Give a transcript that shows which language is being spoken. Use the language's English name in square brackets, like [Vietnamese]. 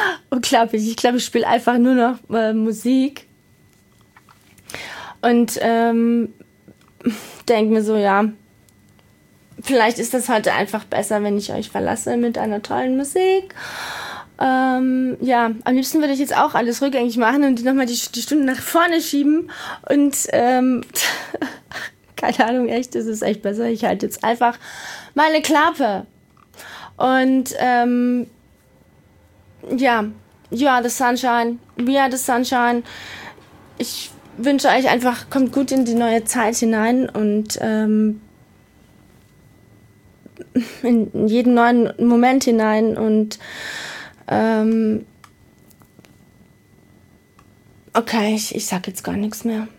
[German] Unglaublich. Ich glaube, ich spiele einfach nur noch Musik. Und denke mir so, ja, vielleicht ist das heute einfach besser, wenn ich euch verlasse mit einer tollen Musik. Ja, am liebsten würde ich jetzt auch alles rückgängig machen und nochmal die Stunden nach vorne schieben. Und keine Ahnung, echt, das ist echt besser. Ich halte jetzt einfach meine Klappe. Und ja, [English] you are the sunshine, [German] we are the sunshine. Ich wünsche euch einfach, kommt gut in die neue Zeit hinein und in jeden neuen Moment hinein. Und okay, ich sag jetzt gar nichts mehr.